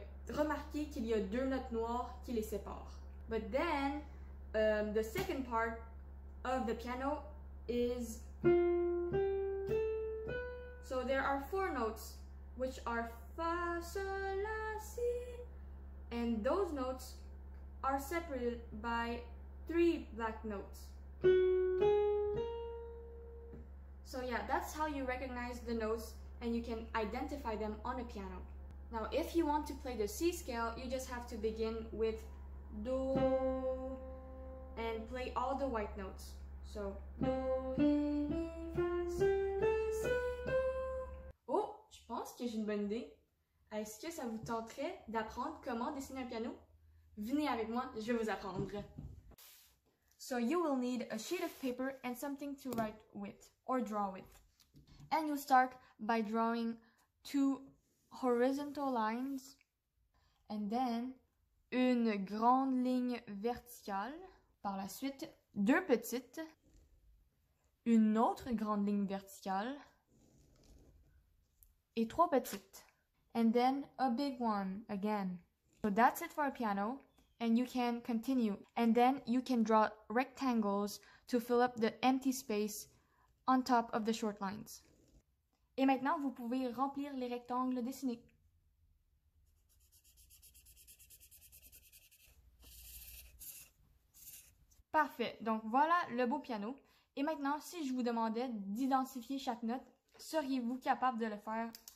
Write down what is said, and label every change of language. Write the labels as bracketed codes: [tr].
[fr] Remarquez qu'il y a deux notes noires qui les séparent. [en] But then, the second part of the piano is... So there are four notes, which are Fa, Sol, La, Si. And those notes are separated by three black notes. So yeah, that's how you recognize the notes and you can identify them on a piano. Now, if you want to play the C scale, you just have to begin with Do and play all the white notes. So, [fr] Do, Ré, Mi, Fa, Sol, La, Si, Do. Oh, je pense que j'ai une bonne idée. Est-ce que ça vous tenterait d'apprendre comment dessiner un piano? Venez avec moi, je vais vous apprendre. [en] So, you will need a sheet of paper and something to write with or draw with. And you start by drawing two horizontal lines, and then [fr] une grande ligne verticale, par la suite deux petites, une autre grande ligne verticale, et trois petites, [en] and then a big one again. So that's it for a piano, and you can continue, and then you can draw rectangles to fill up the empty space on top of the short lines. [fr] Et maintenant, vous pouvez remplir les rectangles dessinés. Parfait! Donc voilà le beau piano. Et maintenant, si je vous demandais d'identifier chaque note, seriez-vous capable de le faire?